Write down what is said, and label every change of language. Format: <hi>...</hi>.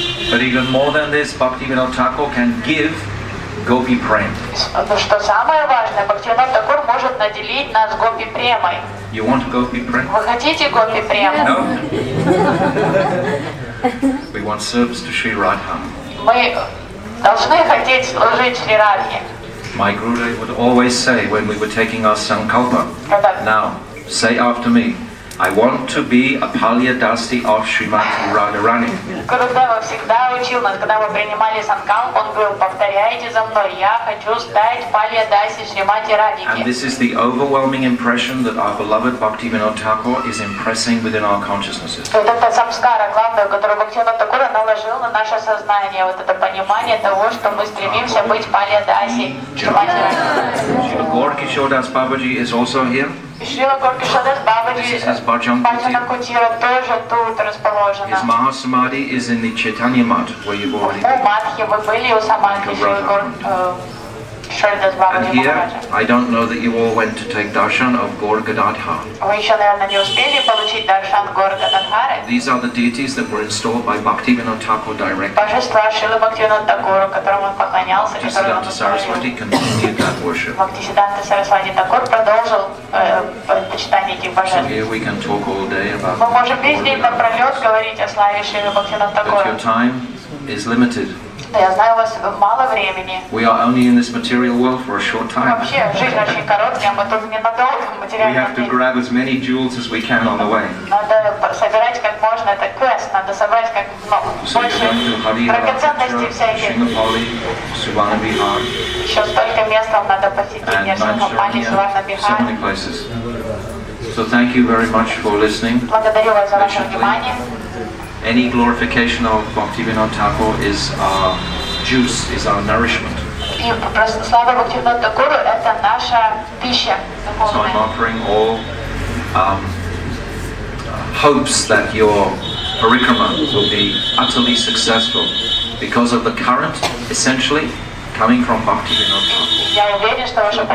<en>But even more than this, Bhaktivinoda Thakur can give Gopi Prem.</en> <ru>Что самое важное, Бхактивинода Такур может наделить нас Гопи Премой.</ru> <en>You want Gopi Prem?</en> <ru>Вы хотите Гопи Прем?</ru> <en>No. We want service to Sri Radha.</en> <ru>Мы должны хотеть служить Шри Радхе.</ru> <en>My Gurudev would always say when we were taking our Sankalpa, now, say after me, I want to be a Palya Dasi of Srimati Radharani.</en> <ru>Gurudeva всегда учил нас, когда мы принимали санкалп, он говорил, повторяйте за мной, я хочу стать Палья Даси Шримати Радхике.</ru> <en>And this is the overwhelming impression that our beloved Bhaktivinoda Thakur is impressing within our consciousnesses.</en> <ru>Вот это самскара главная, которую Бхактивинода Такура наложил на наше сознание, вот это понимание того, что мы стремимся быть Палья Даси</ru> <en>Шримати Радхике. Srila Babaji is also here.</en> <ru>Srila Gorkishadas Babaji, Bhajana Kutira, тоже тут расположена.</ru> <en>His Mahasamadhi is in the Chaitanya Mat, where you've already been.</en> <ru>У Матхи вы были, у Самадхи, Шридас Бабаджи</ru> <en>Махараджа. And here, I don't know that you all went to take darshan of Горгададхара.</en> <ru>Вы еще, наверное, не успели получить даршан Горгададхары.</ru> <en>These are the deities that were installed by Bhaktivinoda Thakur directly.</en> <ru>Божества Шрилы Бхактивинода Такура, которому он поклонялся, которому он поклонялся.</ru> <en>Bhaktisiddhanta Saraswati continued that worship.</en> <ru>Bhaktisiddhanta Saraswati Thakur продолжил почитание этих божеств.</ru> <en>So here we can talk all day about</en> <ru>мы можем весь день напролет говорить о славе Шрилы Бхактивинода Такура.</ru> <en>But your time is limited.</en> <ru>Я знаю, у вас мало времени.</ru> <en>We are only in this material world for a short time.</en> <ru>Вообще, жизнь очень короткая, мы тут ненадолго в материальном мире.</ru> <en>We have to grab as many jewels as we can on the way.</en> <ru>Надо собирать как можно, это квест, надо собрать как больше драгоценностей всяких. Еще столько мест вам надо посетить, Шримапали, Сувана-Бихар.</ru> <en>So thank you very much for listening.</en> <ru>Благодарю вас за ваше внимание.</ru> <en>Any glorification of Bhaktivinoda Thakur is our juice, is our nourishment. So I'm offering all hopes that your parikrama will be utterly successful because of the current, essentially, coming from Bhaktivinoda Thakur.</en>